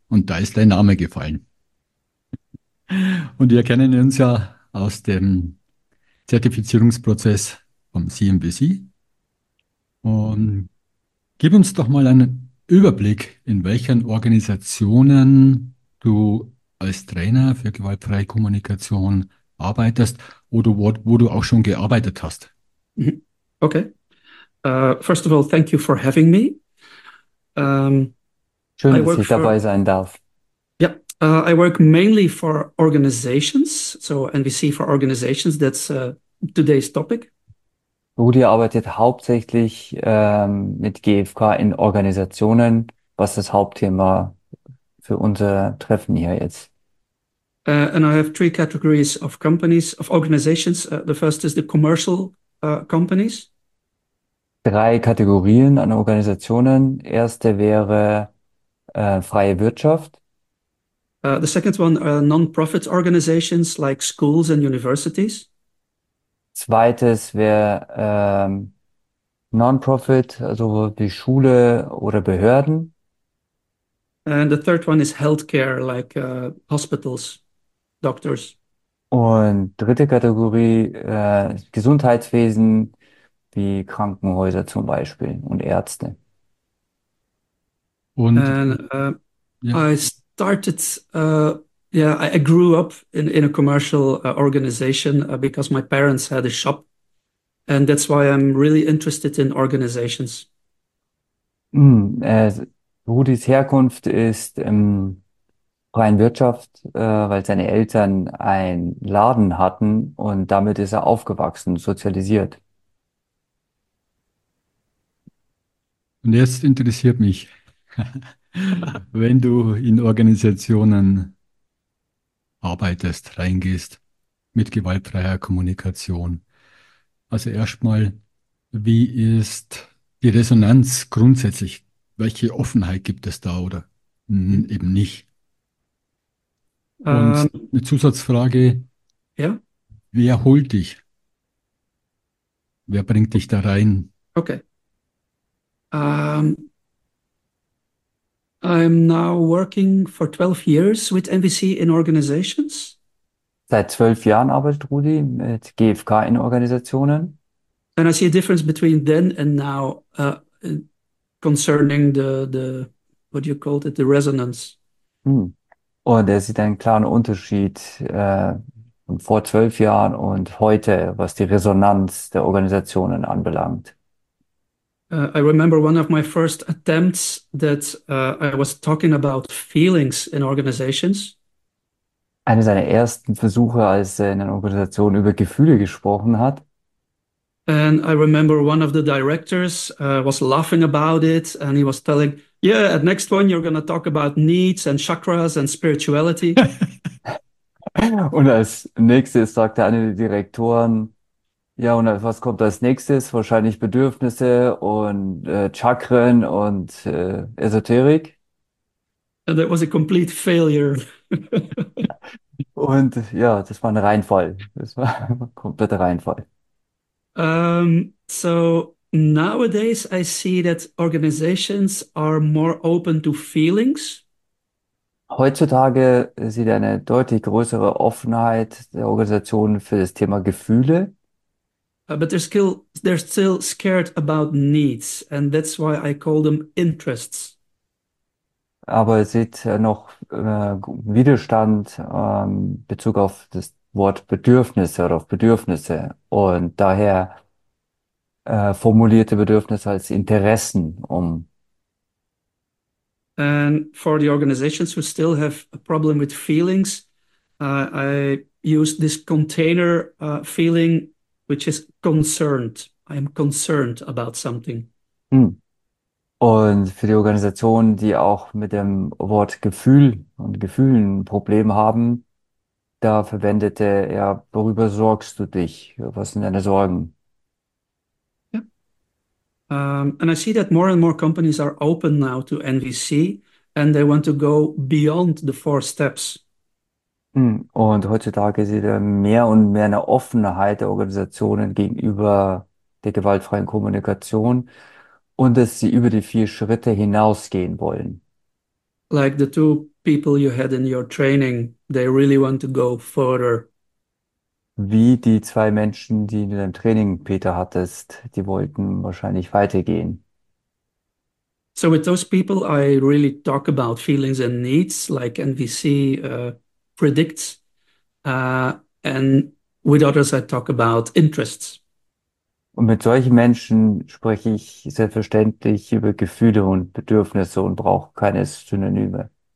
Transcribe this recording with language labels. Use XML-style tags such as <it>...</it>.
<de>Und da ist dein Name gefallen. Und wir kennen uns ja aus dem Zertifizierungsprozess vom CNBC. Und gib uns doch mal einen Überblick, in welchen Organisationen du als Trainer für gewaltfreie Kommunikation arbeitest oder wo du auch schon gearbeitet hast. Okay.</de> <en>First of all, thank you for having me.</en> <de>Schön, dass ich dabei sein darf.</de> <en>Yeah, I work mainly for organizations. So NVC for organizations, that's today's topic.</en> <de>Rudi arbeitet hauptsächlich mit GfK in Organisationen, was das Hauptthema für unser Treffen hier jetzt.</de> <en>And I have three categories of companies, of organizations. The first is the commercial companies.</en> <de>Drei Kategorien an Organisationen. Erste wäre freie Wirtschaft.</de> <en>The second one are non-profit organizations like schools and universities.</en> <de>Zweites wäre non-profit, also wie Schule oder Behörden.</de> <en>And the third one is healthcare like hospitals. Doctors.</en> <de>Und dritte Kategorie, Gesundheitswesen, wie Krankenhäuser zum Beispiel und Ärzte.</de> <en>I started, I grew up in a commercial organization because my parents had a shop. And that's why I'm really interested in organizations.</en> <de>Rudis Herkunft ist freien Wirtschaft, weil seine Eltern einen Laden hatten und damit ist er aufgewachsen, sozialisiert. Und jetzt interessiert mich, wenn du in Organisationen arbeitest, reingehst mit gewaltfreier Kommunikation. Also erstmal, wie ist die Resonanz grundsätzlich? Welche Offenheit gibt es da oder eben nicht? Und eine Zusatzfrage, wer holt dich? Wer bringt dich da rein? Okay.</de> <en>I'm now working for 12 years with NVC in organizations.</en> <de>Seit 12 Jahren arbeitet Rudi mit GfK in Organisationen.</de> <en>And I see a difference between then and now concerning the resonance.</en> <de>Und er sieht einen klaren Unterschied vor 12 Jahren und heute, was die Resonanz der Organisationen anbelangt.</de> <en>I remember one of my first attempts that I was talking about feelings in organizations.</en> <de>Einer seiner ersten Versuche, als er in einer Organisation über Gefühle gesprochen hat.</de> <en>And I remember one of the directors was laughing about it, and he was telling, "Yeah, at next one you're going to talk about needs and chakras and spirituality."</en> <de>Und als nächstes sagte einer der Direktoren, ja, und was kommt als nächstes? Wahrscheinlich Bedürfnisse und Chakren und Esoterik.</de> <en>And that was a complete failure.</en> <de>Und ja, das war ein Reinfall. Das war ein kompletter Reinfall.</de> <en>So nowadays I see that organizations are more open to feelings.</en> <de>Heutzutage sieht er eine deutlich größere Offenheit der Organisation für das Thema Gefühle.</de> <en>But they're still scared about needs, and that's why I call them interests.</en> <de>Aber er sieht noch Widerstand in Bezug auf das Wort Bedürfnisse oder auf Bedürfnisse und daher formulierte Bedürfnisse als Interessen um.</de> <en>And for the organizations who still have a problem with feelings, I use this container feeling, which is concerned. I am concerned about something.</en> <de>Und für die Organisationen, die auch mit dem Wort Gefühl und Gefühlen ein Problem haben, da verwendete er, worüber sorgst du dich? Was sind deine Sorgen?</de> <en>And I see that more and more companies are open now to NVC and they want to go beyond the four steps.</en> <de>Und heutzutage sieht er mehr und mehr eine Offenheit der Organisationen gegenüber der gewaltfreien Kommunikation. Und dass sie über die vier Schritte hinausgehen wollen.</de> <en>Like the two people you had in your training, they really want to go further.</en> <de>Wie die zwei Menschen, die du im Training Peter hattest, die wollten wahrscheinlich weitergehen.</de> <en>So with those people, I really talk about feelings and needs, like NVC predicts. And with others, I talk about interests.</en> <de>Und mit solchen Menschen spreche ich selbstverständlich über Gefühle und Bedürfnisse und brauche keine Synonyme.</de>